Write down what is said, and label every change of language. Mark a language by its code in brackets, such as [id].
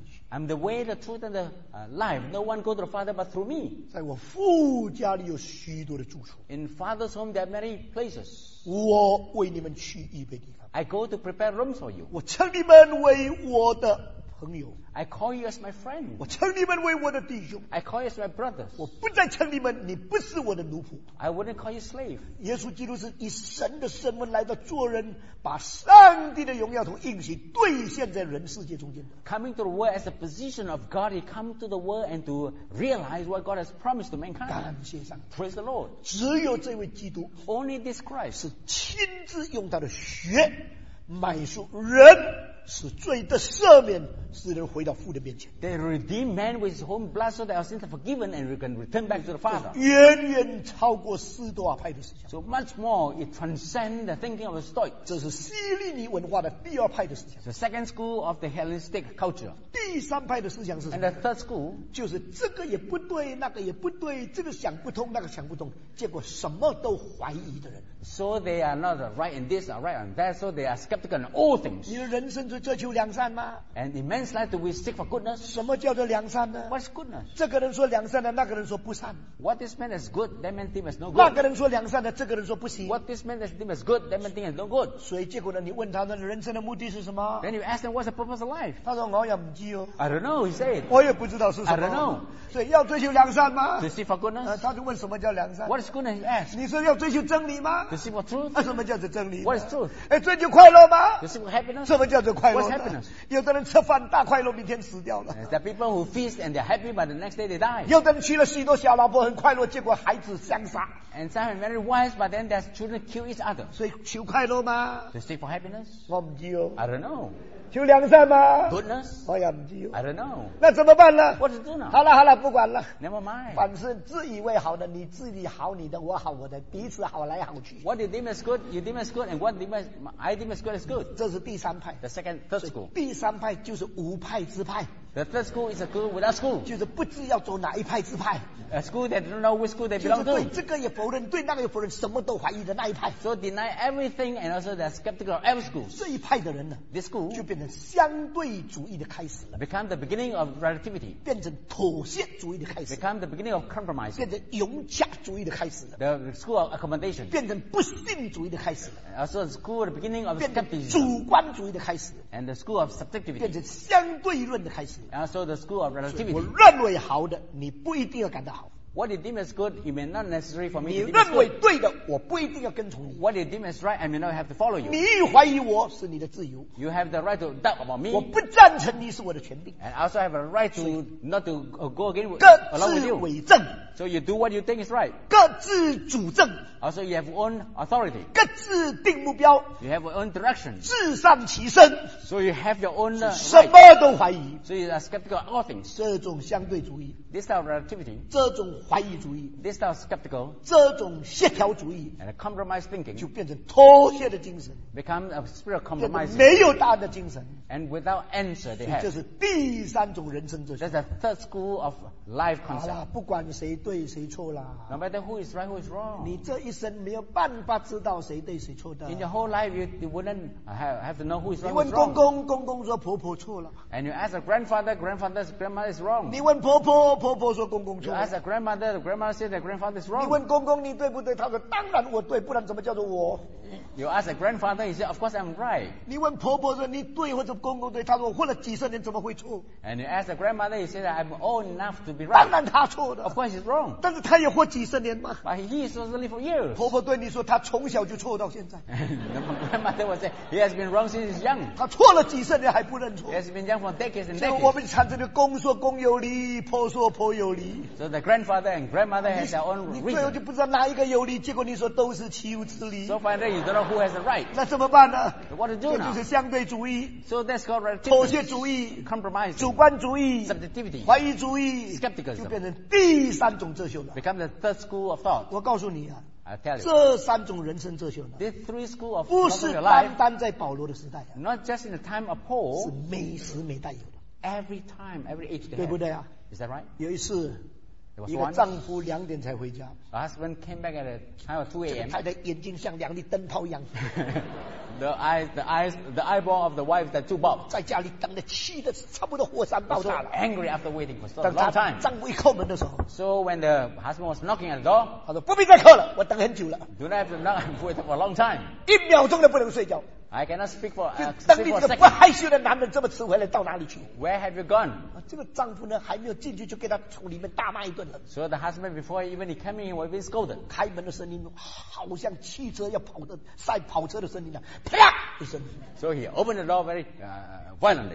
[en] I'm the way, the truth, and the life. No one goes to the Father but through me. [zh] 在我父家里有许多的住处。 [en] In Father's home there are many places. [zh] 我为你们去预备地方。 [en] I go to prepare rooms for you. [zh] 我称你们为我的朋友。 [en] I call you as my friend. [zh] 我称你们为我的弟兄。 [en] I call you as my brothers. [zh] 我不再称你们，你不是我的奴仆。 [en] I wouldn't call you slave. [zh] 耶稣基督是以神的身份来到做人，把上帝的荣耀从应许兑现在人世界中间。 [en] Coming to the world as a position of God, he come to the world and to realize what God has promised to mankind. [zh] 感谢上帝。 [en] Praise the Lord. [zh] 只有这位基督。 [en] Only this Christ. [zh] 是亲自用他的血买赎人。使罪的赦免，使人回到父的面前。 [en] They redeem man with his own blood, so that our sins are forgiven and we can return back to the Father. [zh] 远远超过斯多亚派的思想。 [en] So much more, it transcends the thinking of the Stoics. [zh] 这是希利尼文化的第二派的思想。 [en] The second school of the Hellenistic culture. [zh] 第三派的思想是什么 [en] ？And the third school [zh] 就是这个也不对，那个也不对，这个想不通，那个想不通，结果什么都怀疑的人。 [en] So they are not right in this or right in that, so they are skeptical in all things. [zh] 你的人生是追求良善吗 [en] ？And in man's life, do we seek for goodness? [zh] 什么叫做良善呢 [en] ？What's goodness? [zh] 这个人说良善的，那个人说不善。 [en] What this man is good, that man thinks is no good. [zh] 那个人说良善的，这个人说不行。 [en] What this man is thinks is good, that man thinks is no good. [zh] 所以结果呢，你问他的人生的目的是什么 [en] ？Then you ask them what's the purpose of life. [zh] 他说我也不知哦。 [en] I don't know, he said. [zh] 我也不知道是什么。 [en] I don't know. [zh] 所以要追求良善吗 [en] ？To seek for goodness.、 [zh] 他就问什么叫良善 [en] ？What is goodness? Yes. [zh] 你说要追求真理吗？ [en] To seek for truth? [zh] 什么叫做真理 [en] ？What is truth? [zh] 哎，追求快乐吗 [en] ？To seek for happiness? [zh] 什么叫做快乐 [en] ？What's happiness? [zh] 有的人吃饭大快乐，明天死掉了。 [en] There are people who feast and they're happy, but the next day they die. [zh] 有的人娶了许多小老婆，很快乐，结果孩子相杀。 [en] And some are very wise, but then their children kill each other. [zh] 所以求快乐吗 [en] ？To seek for happiness? [zh] 我不知哦。 [en] I don't know. [zh] 求良善吗 [en] ？Goodness? [zh] 我也不知哦。 [en] I don't know. [zh] 那怎么办呢 [en] ？What to do now? [zh] 好了好了，不管了。 [en] Never mind. [zh] 反正自以为好的，你自己好你的，我好我的，彼此好来好去。 [en] What you deem is good, you deem is good, and what I deem is good is good. [zh] 这是第三派。 [en] The second, third school. [zh] 第三派就是无派之派。 [en] The third school is a school without school. [zh] 就是不知要走哪一派之派。 [en] A school that don't know which school they belong to. [zh] 就是对这个也否认，对那个也否认，什么都怀疑的那一派。 [en] So deny everything and also they're skeptical of every school. [zh] 这一派的人呢 [en] ，this school [zh] 就变成相对主义的开始了。 [en] Become the beginning of relativity. [zh] 变成妥协主义的开始。 [en] Become the beginning of compromise. [zh] 变成容洽主义的开始了。 [en] The school of accommodation. [zh] 变成不信主义的开始。 [en] Also the school of the beginning of skepticism. [zh] 主观主义的开始。 [en] And the school of subjectivity. [zh] 变成相对论的开始。 [en] So the school of relativity. [zh] 我认为好的，你不一定要感到好。 [en] What you deem as good, it may not necessary for me. [zh] 你认为对的，我不一定要跟从你。 [en] What you deem as right, I may not have to follow you. [zh] 你一怀疑我是你的自由。 [en] You have the right to doubt about me. [zh] 我不赞成你是我的权柄。 [en] And also have a right to not to go against you. [zh] 各自为政。 [en] So you do what you think is right. [zh] 各自主政。 [en] Also you have own authority. [zh] 各自定目标。 [en] You have your own direction. [zh] 自上其身。 [en] So you have your own right. [zh] 什么都怀疑。 [en] So you are skeptical of all things. [zh] 这种相对主义。 [en] This type of relativity. [zh] 这种怀疑主义。 [en] This type of skeptical. [zh] 这种协调主义。 [en] And a compromise thinking. [zh] 就变成妥协的精神。 [en] Become a spirit of compromise. [zh] 没有答案的精神。 [en] And without answer they have. [zh] 这是第三种人生哲学。 [en] That's the third school of life concept. [zh] 好了，不管谁对谁错了。 [en] No matter who is right, who is wrong. [zh] 你这一生没有办法知道谁对谁错的。 [en] In your whole life, you wouldn't have to know who is right. [zh] 你问公公，公公说婆婆错了。 [en] And you ask a grandfather, grandfather's grandmother is wrong. [zh] 你问婆婆，婆婆说公公错了。 [en] You ask a grandmother, the grandmother says that grandfather is wrong. [zh] 你问公公你对不对？他说当然我对，不然怎么叫做我 [en] ？You ask a grandfather, he says, of course I'm right. [zh] 你问婆婆说你对或者公公对？他说我活了几十年怎么会错 [en] ？And you ask a grandmother, he says I'm old enough to be right. [zh] 当然他错的。 [en] Of course he's wrong. [zh] 但是他也活几十年嘛。 [en] But he is only for years. [zh] 婆婆对你说，他从小就错到现在。 [en] Grandmother was saying he has been wrong since he's young. [zh] 他错了几十年还不认错。 [en] He has been young for decades and decades. [zh] 所以我们产生的公说公有理，婆说婆有理。 [en] So the grandfather and grandmother has their own reason. [zh] 你最后就不知道哪一个有理，结果你说都是岂有此理。 [en] So finally you don't know who has the right. [zh] 那怎么办呢 [en] ？What to do now? [zh] 这就是相对主义。 [en] So that's called relativity. [zh] 妥协主义。 [en] Compromise. [zh] 主观主义。 [en] Subjectivity. [zh] 怀疑主义。 [en] Skepticism. [zh] 就变成第三种。 [en] Become the third school of thought. [zh] 我告诉你啊 [en] I tell you, [zh] 这三种人生哲学呢 [en] ，these three school of [zh] 不是单单在保罗的时代啊 [en] ，not just in the time of Paul， [zh] 是每时每代有的 [en] ，every time every age， [zh] 对不对啊 [en] ？Is that right？ [zh] 有一次，一个丈夫两点才回家 [en] ，the husband came back at time of 2 a.m. [zh] 这个太太眼睛像两粒灯泡一样。 [en] The eyeball of the wife that two bulbs. [zh] 在家里等的气的差不多火山爆炸了。 [en] Angry after waiting for so long time. [zh] 丈夫一叩门的时候。 [en] So when the husband was knocking at the door, [zh] 他说不必再叩了，我等很久了。 [en] Do not have to knock. I've waited for a long time. [zh] 一秒钟都不能睡觉。 [en] I cannot speak for a second. [zh] 等你这个不害羞的男人这么迟回来到哪里去 [en] ？Where have you gone？ [zh] 这个丈夫呢还没有进去就给他从里面大骂一顿了。 [en] So the husband before even he came in was being scolded. [zh] 开门的声音好像汽车要跑的赛跑车的声音啊，啪一声。 [en] So he opened the door very violently.